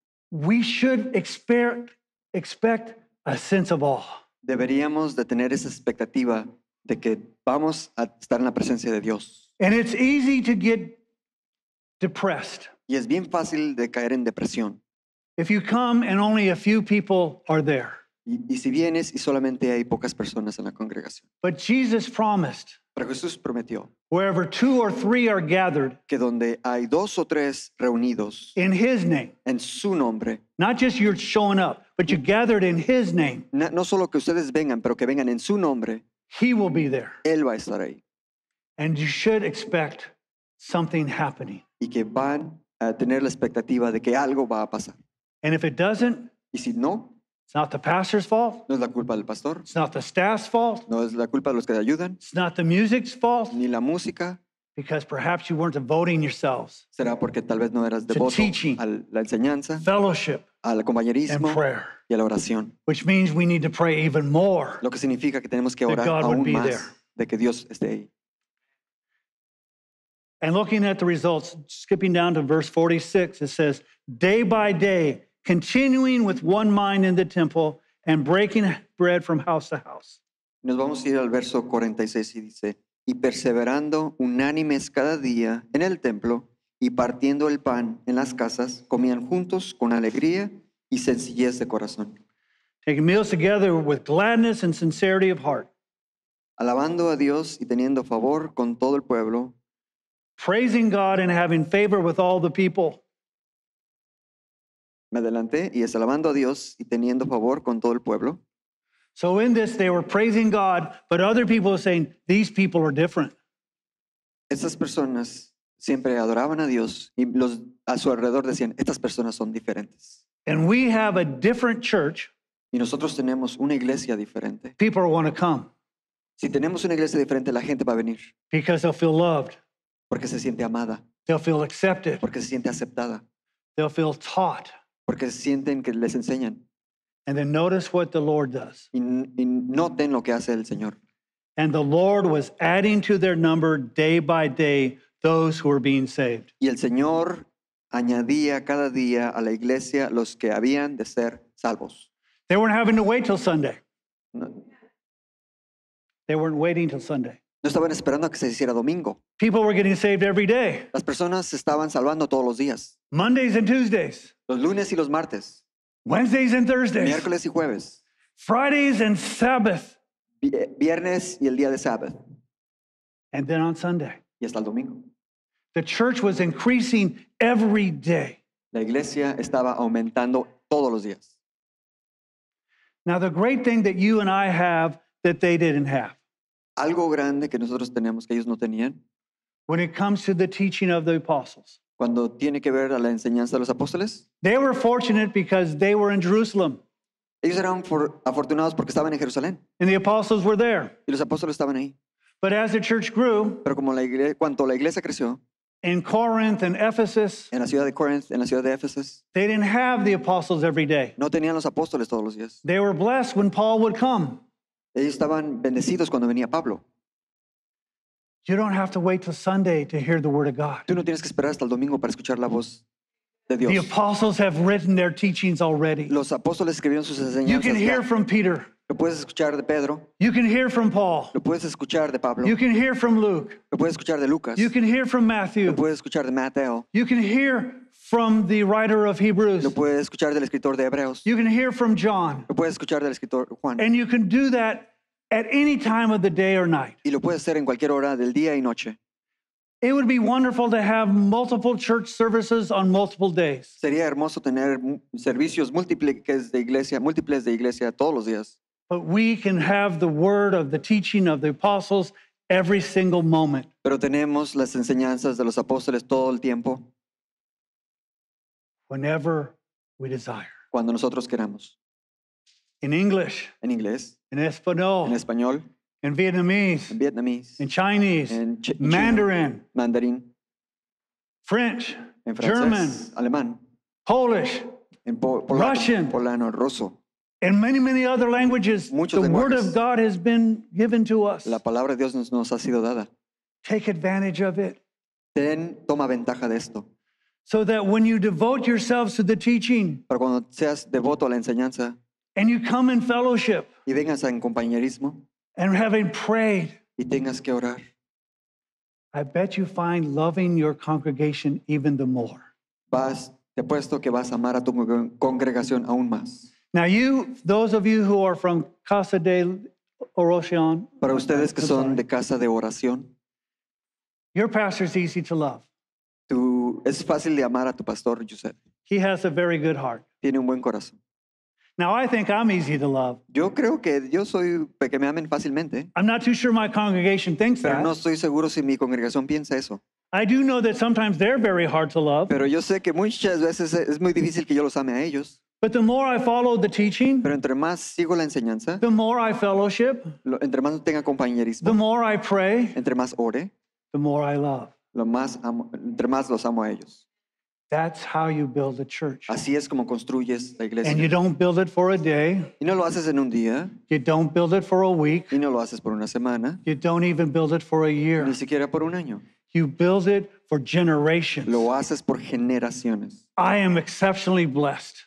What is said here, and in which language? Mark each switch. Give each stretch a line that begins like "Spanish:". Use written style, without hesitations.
English: We should expect a sense of awe.
Spanish: Deberíamos de tener esa expectativa de que vamos a estar en la presencia de Dios.
English: And it's easy to get depressed.
Spanish: Y es bien fácil de caer en depresión.
English: If you come and only a few people are there.
Spanish: Y si vienes y solamente hay pocas personas en la congregación.
English: But Jesus promised.
Spanish: Pero Jesús prometió.
English: Wherever two or three are gathered.
Spanish: Que donde hay dos o tres reunidos.
English: In His name.
Spanish: En su nombre.
English: Not just you're showing up, but you gathered in His name.
Spanish: No solo que ustedes vengan, pero que vengan en su nombre.
English: He will be there.
Spanish: Él va a estar ahí.
English: And you should expect something happening.
Spanish: Y que van a tener la expectativa de que algo va a pasar.
English: And if it doesn't,
Spanish: y si no,
English: it's not the pastor's fault.
Spanish: No es la culpa del pastor.
English: It's not the staff's fault.
Spanish: No es la culpa de los que te ayudan.
English: It's not the music's fault.
Spanish: Ni la música.
English: Because perhaps you weren't devoting yourselves.
Spanish: Será porque tal vez no eras devoto
English: teaching,
Spanish: a la enseñanza,
English: fellowship,
Spanish: al compañerismo,
English: and prayer,
Spanish: y a la oración.
English: Which means we need to pray even more.
Spanish: Lo que significa que tenemos que orar
English: God
Spanish: aún
English: would be
Spanish: más
English: there.
Spanish: De que Dios esté ahí.
English: And looking at the results, skipping down to verse 46, it says, day by day, continuing with one mind in the temple and breaking bread from house to house.
Spanish: Nos vamos a ir al verso 46 y dice, y perseverando unánimes cada día en el templo y partiendo el pan en las casas, comían juntos con alegría y sencillez de corazón.
English: Taking meals together with gladness and sincerity of heart.
Spanish: Alabando a Dios y teniendo favor con todo el pueblo.
English: Praising God and having favor with all the people.
Spanish: Me adelanté y es alabando a Dios y teniendo favor con todo el pueblo.
English: So in this they were praising God, but other people were saying these people are different.
Spanish: Estas personas siempre adoraban a Dios y los a su alrededor decían estas personas son diferentes.
English: And we have a different church.
Spanish: Y nosotros tenemos una iglesia diferente.
English: People want to come.
Spanish: Si tenemos una iglesia diferente la gente va a venir.
English: Because they'll feel loved.
Spanish: Porque se siente amada.
English: They'll feel accepted.
Spanish: Porque se siente aceptada.
English: They'll feel taught.
Spanish: Porque sienten que les enseñan.
English: And then notice what the Lord does.
Spanish: Y noten lo que hace el Señor.
English: And the Lord was adding to their number day by day those who were being saved.
Spanish: Y el Señor añadía cada día a la iglesia los que habían de ser salvos.
English: They weren't having to wait till Sunday. No. They weren't waiting till Sunday.
Spanish: No estaban esperando a que se hiciera domingo.
English: People were getting saved every day.
Spanish: Las personas se estaban salvando todos los días.
English: Mondays and Tuesdays.
Spanish: Los lunes y los martes.
English: Wednesdays and Thursdays.
Spanish: Miércoles y jueves.
English: Fridays and Sabbath.
Spanish: Viernes y el día de Sabbath.
English: And then on Sunday.
Spanish: Y hasta el domingo.
English: The church was increasing every day.
Spanish: La iglesia estaba aumentando todos los días.
English: Now the great thing that you and I have that they didn't have.
Spanish: Algo grande que nosotros tenemos que ellos no tenían.
English: When it comes to the teaching of the apostles.
Spanish: Cuando tiene que ver a la enseñanza de los apóstoles.
English: They were fortunate because they were in Jerusalem.
Spanish: Ellos eran afortunados porque estaban en Jerusalén.
English: And the apostles were there.
Spanish: Y los apóstoles estaban ahí.
English: But as the church grew,
Spanish: pero como la iglesia creció,
English: in Corinth and Ephesus,
Spanish: en la ciudad de Corinth, en la ciudad de Éfesos,
English: they didn't have the apostles every day.
Spanish: No tenían los apóstoles todos los días.
English: They were blessed when Paul would come.
Spanish: Ellos estaban bendecidos cuando venía Pablo.
English: You don't have to wait till Sunday to hear the word of God.
Spanish: Tú no tienes que esperar hasta el domingo para escuchar la voz.
English: The apostles have written their teachings already.
Spanish: Los apóstoles escribieron sus enseñanzas.
English: You can hear from Peter.
Spanish: Lo puedes escuchar de Pedro.
English: You can hear from Paul.
Spanish: Lo puedes escuchar de Pablo.
English: You can hear from Luke.
Spanish: Lo puedes escuchar de Lucas.
English: You can hear from Matthew.
Spanish: Lo puedes escuchar de Mateo.
English: You can hear from the writer of Hebrews.
Spanish: Lo puedes escuchar del escritor de Hebreos.
English: You can hear from John.
Spanish: Lo puedes escuchar del escritor Juan.
English: And you can do that at any time of the day or night.
Spanish: Y lo puedes hacer en cualquier hora del día y noche.
English: It would be wonderful to have multiple church services on multiple days.
Spanish: Sería hermoso tener servicios múltiples de iglesia todos los días.
English: But we can have the word of the teaching of the apostles every single moment.
Spanish: Pero tenemos las enseñanzas de los apóstoles todo el tiempo.
English: Whenever we desire.
Spanish: Cuando nosotros queramos.
English: In English.
Spanish: En inglés.
English: In Espanol.
Spanish: En español.
English: In Vietnamese, in Vietnamese, in Chinese, in Mandarin, Mandarin, French,
Spanish: en francés,
English: German,
Spanish: alemán,
English: Polish,
Spanish: en
English: Russian,
Spanish: polano, ruso,
English: and many, many other languages.
Spanish: Muchos
English: the
Spanish: lenguajes.
English: Word of God has been given to us.
Spanish: La palabra de Dios nos ha sido dada.
English: Take advantage of it.
Spanish: Ten, toma ventaja de esto.
English: So that when you devote yourselves to the teaching,
Spanish: pero cuando seas devoto a la enseñanza,
English: and you come in fellowship,
Spanish: y vengas en compañerismo,
English: and having prayed,
Spanish: y tengas que orar,
English: I bet you find loving your congregation even the more.
Spanish: Vas, te apuesto que vas a amar a tu congregación aún más.
English: Now you, those of you who are from Casa de Oración,
Spanish: para ustedes que son de Casa de Oración,
English: your pastor is easy to love.
Spanish: Es fácil de amar a tu pastor, Yuseth.
English: He has a very good heart.
Spanish: Tiene un buen corazón.
English: Now I think I'm easy to love.
Spanish: Yo creo que yo soy que me amen fácilmente.
English: I'm not too sure my congregation thinks
Spanish: pero
English: that.
Spanish: No estoy seguro si mi congregación piensa eso.
English: I do know that sometimes they're very hard to love.
Spanish: Pero yo sé que muchas veces es muy difícil que yo los ame a ellos.
English: But the more I follow the teaching,
Spanish: pero entre más sigo la enseñanza,
English: the more I fellowship,
Spanish: entre más tenga compañerismo,
English: the more I pray,
Spanish: entre más ore,
English: the more I love,
Spanish: lo más amo, entre más los amo a ellos.
English: That's how you build a church.
Spanish: Así es como construyes la iglesia.
English: And you don't build it for a day.
Spanish: Y no lo haces en un día.
English: You don't build it for a week.
Spanish: Y no lo haces por una semana.
English: You don't even build it for a year.
Spanish: Ni siquiera por un año.
English: You build it for generations.
Spanish: Lo haces por generaciones.
English: I am exceptionally blessed.